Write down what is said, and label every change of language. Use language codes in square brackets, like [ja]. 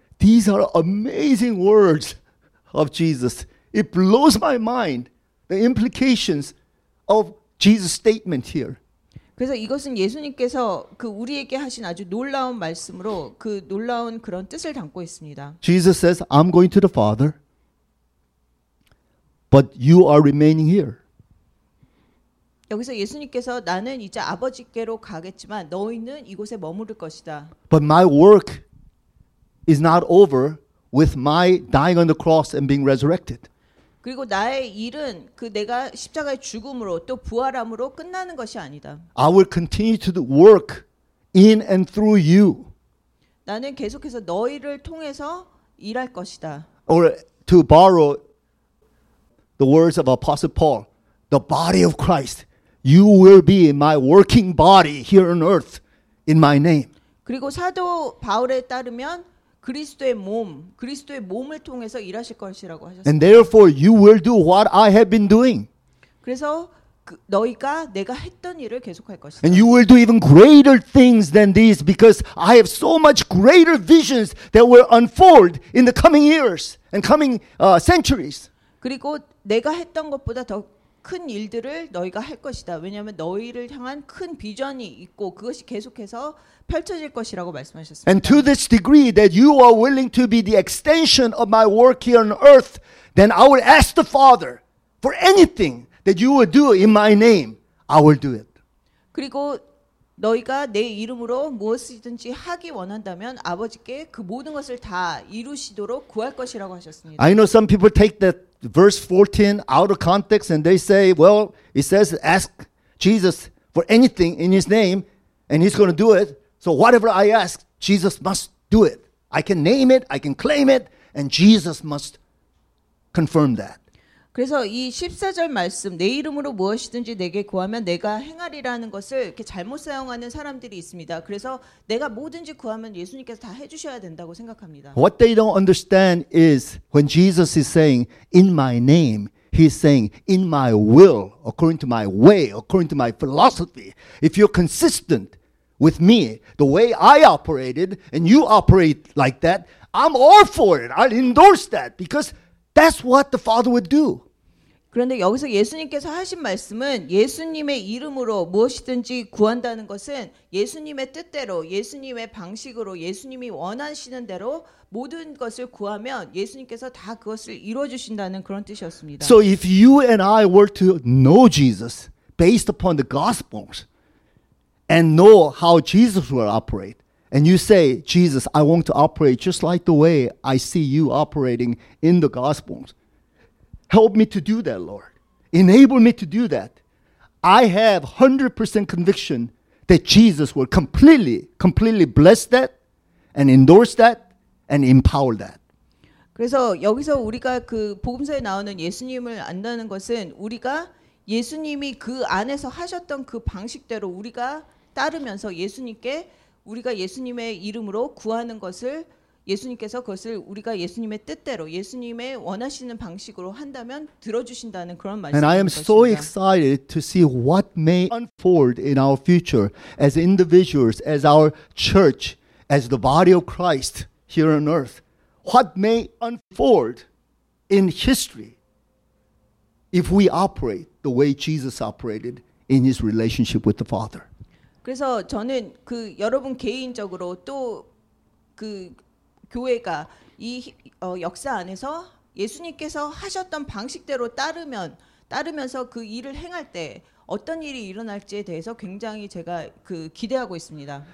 [en] These are amazing words of Jesus. It blows my mind the implications of Jesus' statement here. [ko] 그래서 이것은 예수님께서 그 우리에게 하신 아주 놀라운 말씀으로 그 놀라운 그런 뜻을 담고 있습니다. [en] Jesus says, I'm going to the Father, but you are remaining here. [ko] 여기서 예수님께서 나는 이제 아버지께로 가겠지만 너희는 이곳에 머무를 것이다. [en] But my work is not over with my dying on the cross and being resurrected. [ko] 그리고 나의 일은 그 내가 십자가의 죽음으로 또 부활함으로 끝나는 것이 아니다. [en] I will continue to work in and through you. [ko] 나는 계속해서 너희를 통해서 일할 것이다. [en] Or to borrow the words of Apostle Paul, the body of Christ, you will be my working body here on earth in my name. [ko] 그리고 사도 바울에 따르면 그리스도의 몸, 그리스도의 몸을 통해서 일하실 것이라고 하셨습니다. [en] And therefore you will do what I have been doing. [ko] 그래서 그, 너희가 내가 했던 일을 계속할 것이다. [en] And you will do even greater things than these because I have so much greater visions that will unfold in the coming years and coming centuries. [ko] 그리고 내가 했던 것보다 더 큰 일들을 너희가 할 것이다. 왜냐하면 너희를 향한 큰 비전이 있고 그것이 계속해서 펼쳐질 것이라고 말씀하셨습니다. [en] And to this degree that you are willing to be the extension of my work here on earth, then I will ask the Father for anything that you will do in my name, I will do it. [ko] 그리고 너희가 내 이름으로 무엇이든지 하기 원한다면 아버지께 그 모든 것을 다 이루시도록 구할 것이라고 하셨습니다. [en] I know some people take that verse 14 out of context and they say, well, it says ask Jesus for anything in his name and he's going to do it. So whatever I ask, Jesus must do it. I can name it, I can claim it, and Jesus must confirm that. [ko] 그래서 이 14절 말씀, 내 이름으로 무엇이든지 내게 구하면 내가 행하리라는 것을 이렇게 잘못 사용하는 사람들이 있습니다. 그래서 내가 뭐든지 구하면 예수님께서 다 해주셔야 된다고 생각합니다. [en] What they don't understand is when Jesus is saying, in my name, he's saying, in my will, according to my way, according to my philosophy, if you're consistent with me, the way I operated, and you operate like that, I'm all for it. I'll endorse that because that's what the Father would do. [ko] 그런데 여기서 예수님께서 하신 말씀은 예수님의 이름으로 무엇이든지 구한다는 것은 예수님의 뜻대로, 예수님의 방식으로, 예수님이 원하시는 대로 모든 것을 구하면 예수님께서 다 그것을 이루어 주신다는 그런 뜻이었습니다. [en] So if you and I were to know Jesus based upon the Gospels, and know how Jesus will operate. And you say, Jesus, I want to operate just like the way I see you operating in the Gospels. Help me to do that, Lord. Enable me to do that. I have 100% conviction that Jesus will completely, completely bless that and endorse that and empower that. [ko] 그래서 여기서 우리가 그 복음서에 나오는 예수님을 안다는 것은 우리가 예수님이 그 안에서 하셨던 그 방식대로 우리가 따르면서 예수님께 우리가 예수님의 이름으로 구하는 것을 예수님께서 그것을 우리가 예수님의 뜻대로 예수님의 원하시는 방식으로 한다면 들어주신다는 그런 말씀입니다. [en] And I am so excited to see what may unfold in our future as individuals, as our church, as the body of Christ here on earth. What may unfold in history if we operate the way Jesus operated in his relationship with the Father. [ko] 그래서 저는 그 여러분 개인적으로 또 그 교회가 이 역사 안에서 예수님께서 하셨던 방식대로 따르면서 그 일을 행할 때 어떤 일이 일어날지에 대해서 굉장히 제가 그 기대하고 있습니다.